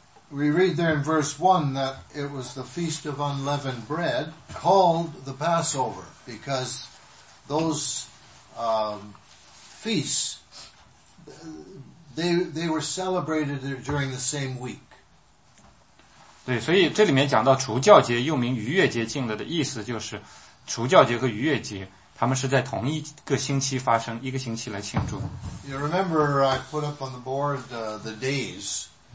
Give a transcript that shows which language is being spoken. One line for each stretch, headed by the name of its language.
English: We read there in verse 1 that it was the Feast of Unleavened Bread called the Passover because those feasts they were celebrated during the same week.
Chinese: 对，所以这里面讲到除酵节又名逾越节敬的意思就是除酵节和逾越节他们是在同一个星期发生，一个星期来庆祝。
English: You remember I put up on the board the days.